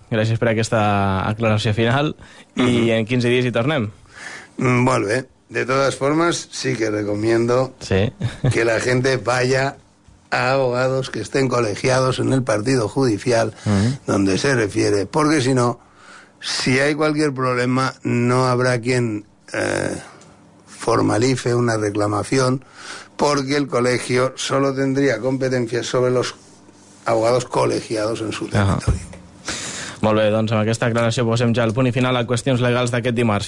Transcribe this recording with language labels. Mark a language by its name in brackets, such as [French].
[Catalan] Gràcies per aquesta aclaració final. I en 15 dies hi tornem. Molt bé. [Spanish] De totes formes, sí que recomiendo que la gente vaya a abogados que estén colegiados en el partido judicial donde se refiere. Porque si no, si hay cualquier problema, no habrá quien formalice una reclamación porque el colegio solo tendría competencias sobre los abogados colegiados en su territorio. [Catalan] Molt bé, doncs amb aquesta aclaració posem ja el punt i final a qüestions legals d'aquest dimarts.